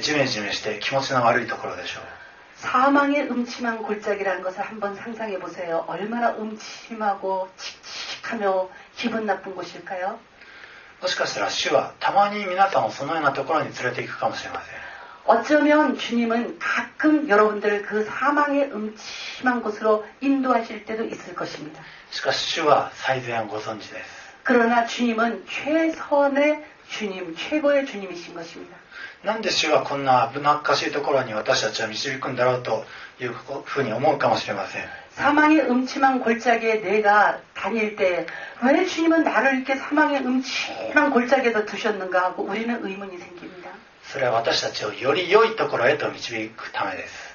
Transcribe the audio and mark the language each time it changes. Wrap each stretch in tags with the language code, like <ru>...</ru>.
<ja>死の影の谷、おそらくとても暗く、そして危険で、ジメジメして気持ちの悪いところでしょう。</ja> <ko>사망의 음침한 골짜기라는 것을 한번 상상해 보세요. 얼마나 음침하고 칙칙하며 기분 나쁜 곳일까요?</ko> <ja>もしかしたら主はたまに皆さんをそのようなところに連れて行くかもしれません。</ja> <ko>어쩌면주님은가끔여러분들을그사망의음침한곳으로인도하실때도있을것입니다</ko> <ja>しかし主は最善をご存知です</ja> <ko>그러나주님은최선의주님최고의주님이신것입니다</ko> <ja>なんで主はこんな危なっかしいところに私たちを導くんだろうというふうに思うかもしれません</ja> <ko>사망의음침한골짜기에내가다닐때왜주님은나를이렇게사망의음침한골짜기에서두셨는가하고우리는의문이생깁니다</ko> <ja>それは私たちをより良いところへと導くためです。</ja>